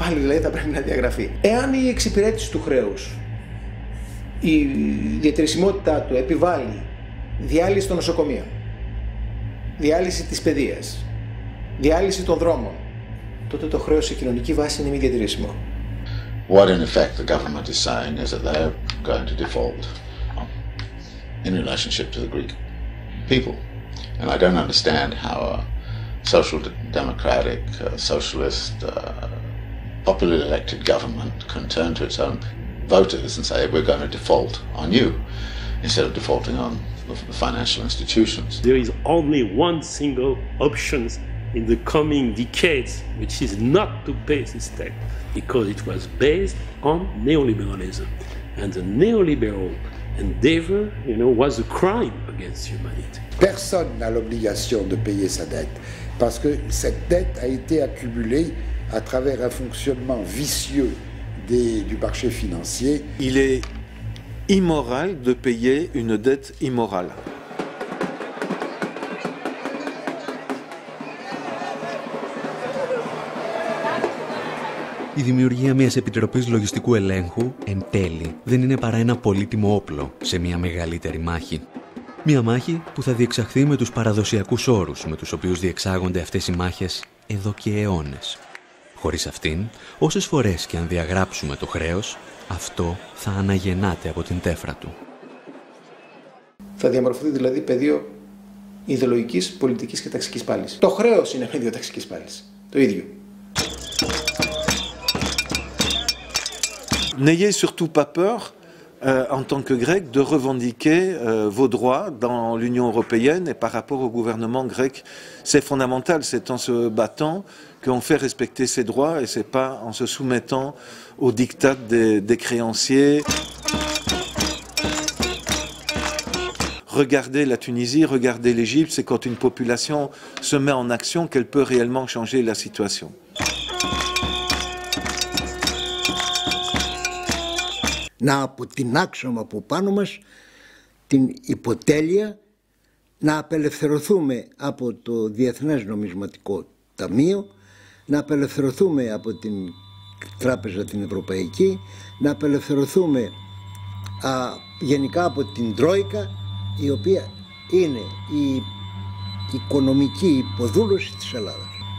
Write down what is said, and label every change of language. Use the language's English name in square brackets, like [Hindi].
[Greek] Πάλι δηλαδή θα πρέπει να διαγραφεί. Εάν η εξυπηρέτηση του χρέους, η διατηρησιμότητά του επιβάλλει διάλυση των νοσοκομείων, διάλυση της παιδείας, διάλυση των δρόμων, τότε το χρέος σε κοινωνική βάση είναι μη διατηρήσιμο. [English] What in effect the government is saying is that they're going to default in relationship to the Greek people. And I don't understand how a social democratic, socialist, popularly elected government can turn to its own voters and say we're going to default on you instead of defaulting on the financial institutions. There is only one single option in the coming decades, which is not to pay this debt, because it was based on neoliberalism. And the neoliberal endeavor, you know, was a crime against humanity. [French] Personne n'a l'obligation de payer sa dette, parce que cette dette a été accumulée à travers un fonctionnement vicieux du marché financier. Il est immoral de payer une dette immorale. [Greek] Η δημιουργία μιας Επιτροπής Λογιστικού Ελέγχου, εν τέλει, δεν είναι παρά ένα πολύτιμο όπλο σε μια μεγαλύτερη μάχη. Μια μάχη που θα διεξαχθεί με τους παραδοσιακούς όρους με τους οποίους διεξάγονται αυτές οι μάχες εδώ και αιώνες. Χωρίς αυτήν, όσες φορές και αν διαγράψουμε το χρέος, αυτό θα αναγεννάται από την τέφρα του. Θα διαμορφωθεί δηλαδή πεδίο ιδεολογικής, πολιτικής και ταξικής πάλης. Το χρέος είναι πεδίο ταξικής πάλης. Το ίδιο. [French] N'ayez surtout pas peur, en tant que grec, de revendiquer vos droits dans l'Union européenne et par rapport au gouvernement grec. C'est fondamental, c'est en se battant qu'on fait respecter ses droits et c'est pas en se soumettant aux diktats des créanciers. Regardez la Tunisie, regardez l'Égypte, c'est quand une population se met en action qu'elle peut réellement changer la situation. [Greek] Να αποτινάξουμε από πάνω μας την υποτέλεια, να απελευθερωθούμε από το Διεθνές Νομισματικό Ταμείο, να απελευθερωθούμε από την Τράπεζα την Ευρωπαϊκή, να απελευθερωθούμε γενικά από την Τρόικα, η οποία είναι η οικονομική υποδούλωση της Ελλάδας.